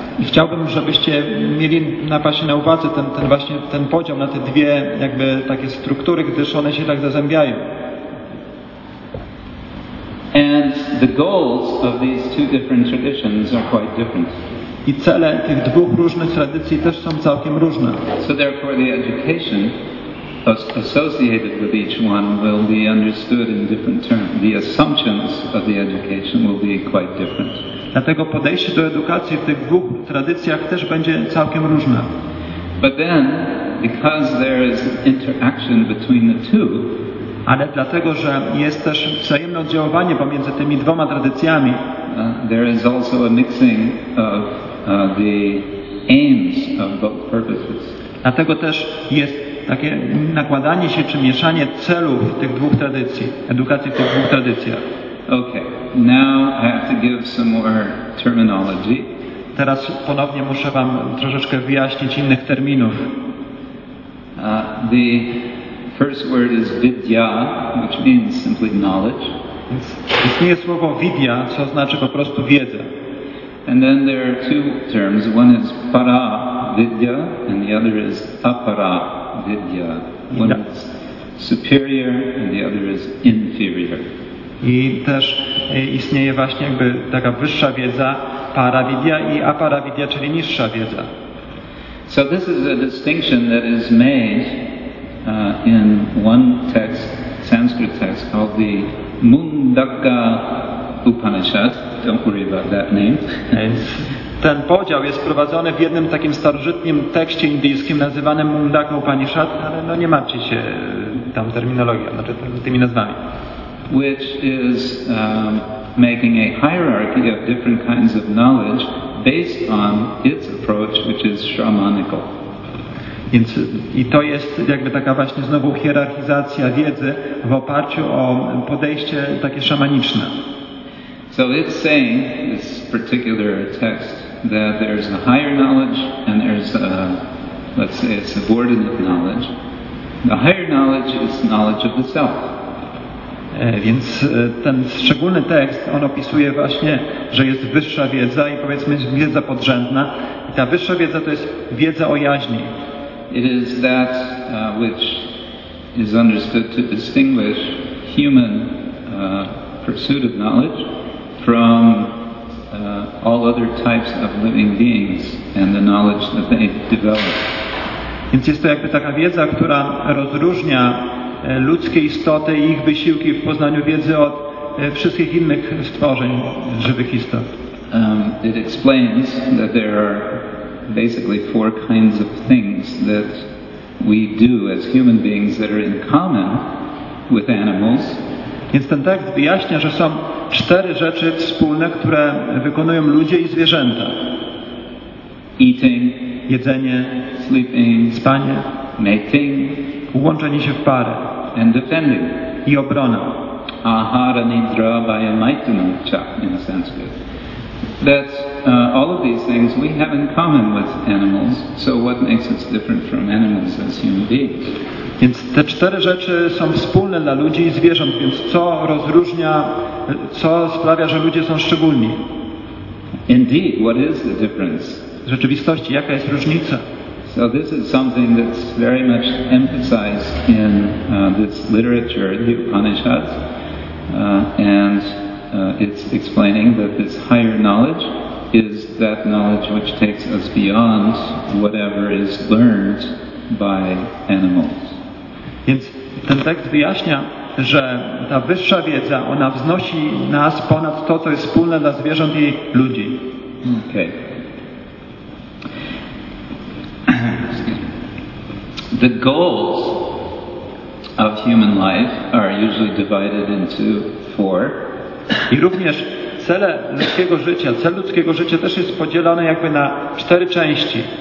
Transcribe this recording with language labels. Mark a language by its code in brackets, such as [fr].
[pl] I chciałbym, żebyście mieli na uwadze ten podział na te dwie jakby takie struktury, gdyż one się tak zazębiają. [en] And the goals of these two different traditions are quite different. [pl] I cele tych dwóch różnych tradycji też są całkiem różne. [en] So therefore the education associated with each one will be understood in different terms. The assumptions of the education will be quite different. [pl] Dlatego podejście do edukacji w tych dwóch tradycjach też będzie całkiem różne. [en] But then, because there is interaction between the two, [pl] ale dlatego, że jest też wzajemne oddziaływanie pomiędzy tymi dwoma tradycjami, [en] there is also a mixing of the aims of both purposes. [pl] Dlatego też jest takie nakładanie się czy mieszanie celów tych dwóch tradycji, edukacji w tych dwóch tradycjach. [en] Okay. Now I have to give some more terminology. [pl] Teraz ponownie muszę wam troszeczkę wyjaśnić innych terminów. [en] The first word is vidya, which means simply knowledge. [pl] Istnieje słowo vidya, co znaczy po prostu wiedza. [en] And then there are two terms. One is para vidya, and the other is apara vidya. One is superior, and the other is inferior. [pl] I też istnieje właśnie jakby taka wyższa wiedza, paravidya i aparavidya, czyli niższa wiedza. [en] So this is a distinction that is made in one text, Sanskrit text, called the Mundaka Upanishad. Don't worry about that name. [pl] Ten podział jest wprowadzony w jednym takim starożytnym tekście indyjskim nazywanym Mundaka Upanishad, ale no nie martwcie się tam terminologią, znaczy tymi nazwami. [en] Which is making a hierarchy of different kinds of knowledge based on its approach, which is shamanical. [pl] Więc i to jest jakby taka właśnie znowu hierarchizacja wiedzy w oparciu o podejście takie szamaniczne. [en] So it's saying, this particular text, that there's a higher knowledge and there's a, let's say, a subordinate knowledge. The higher knowledge is knowledge of the self. [pl] Więc ten szczególny tekst, on opisuje właśnie, że jest wyższa wiedza i powiedzmy wiedza podrzędna. I ta wyższa wiedza to jest wiedza o jaźni. [en] It is that which is understood to distinguish human pursuit of knowledge from all other types of living beings and the knowledge that they develop. [pl] Więc jest to jakby taka wiedza, która rozróżnia ludzkie istoty i ich wysiłki w poznaniu wiedzy od wszystkich innych stworzeń żywych istot. [en] It explains that there are basically four kinds of things that we do as human beings that are in common with animals. [pl] Więc ten tekst wyjaśnia, że są cztery rzeczy wspólne, które wykonują ludzie i zwierzęta. [en] Eating, [pl] jedzenie, [en] sleeping, [pl] spanie, [en] mating, [pl] łączenie się w parę, [en] and defending, [pl] i obrona. [sa] Ahara nidra vayamaitunacha [en] in Sanskrit. That's all of these things we have in common with animals. So what makes us different from animals as human beings? [pl] Więc te cztery rzeczy są wspólne dla ludzi i zwierząt, więc co rozróżnia, co sprawia, że ludzie są szczególni? [en] Indeed, what is the difference? [pl] W rzeczywistości, jaka jest różnica? [en] So this is something that's very much emphasized in this literature, the Upanishads, and it's explaining that this higher knowledge is that knowledge which takes us beyond whatever is learned by animals. [pl] Więc ten tekst wyjaśnia, że ta wyższa wiedza, ona wznosi nas ponad to, co jest wspólne dla zwierząt i ludzi. [en] Okay. The goals of human life are usually divided into four. [pl] I również cele ludzkiego życia, cel ludzkiego życia też jest podzielone jakby na cztery części.